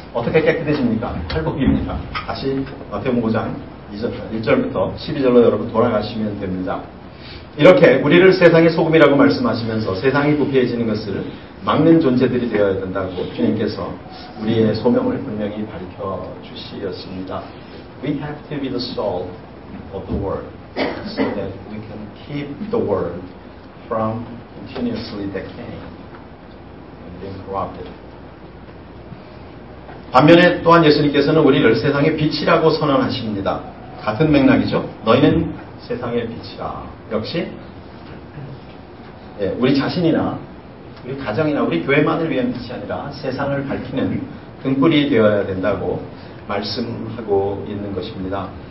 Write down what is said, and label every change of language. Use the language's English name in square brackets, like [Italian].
[Korean] 어떻게 깨끗해집니까? 팔복입니까? 다시 마태복음 5장 1절부터 12절로 여러분 돌아가시면 됩니다. 이렇게 우리를 세상의 소금이라고 말씀하시면서 세상이 부패해지는 것을 막는 존재들이 되어야 된다고 주님께서 우리의 소명을 분명히 밝혀주시었습니다. [English] We have to be the salt of the world so that we can keep the world from continuously decaying and being corrupted. [Korean] 반면에 또한 예수님께서는 우리를 세상의 빛이라고 선언하십니다. 같은 맥락이죠. 너희는 세상의 빛이라. 역시 우리 자신이나 우리 가정이나 우리 교회만을 위한 빛이 아니라 세상을 밝히는 등불이 되어야 된다고 말씀하고 있는 것입니다.